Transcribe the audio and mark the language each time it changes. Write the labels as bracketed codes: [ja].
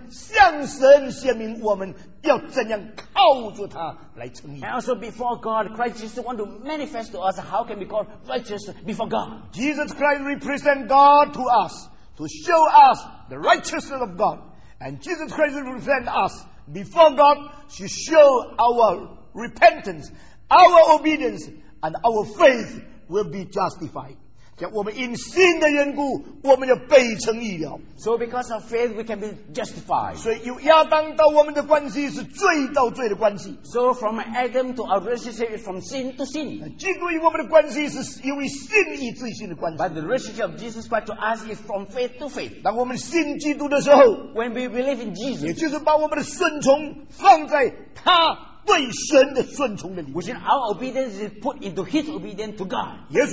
[zh] 耶稣基督要在神面前代表我们向神显明我们 [en] And also before God, Christ Jesus wants to manifest to us how can we call righteous before God. Jesus Christ represents God to us to show us the righteousness of God. And Jesus Christ represents us before God to show our repentance, our obedience, and our faith will be justified. [zh] 我们因信的缘故我们就被称义了 [en] So because of faith we can be justified [zh] 所以亚当到我们的关系是罪到罪的关系 [en] So from Adam to our relationship is from sin to sin [zh] 基督与我们的关系是由于信义自信的关系 [en] But the relationship of Jesus Christ to us is from faith to faith [zh] 当我们信基督的时候 [en] When we believe in Jesus [zh] 也就是把我们的顺从放在他 [en] Which is our obedience is put into His obedience to God.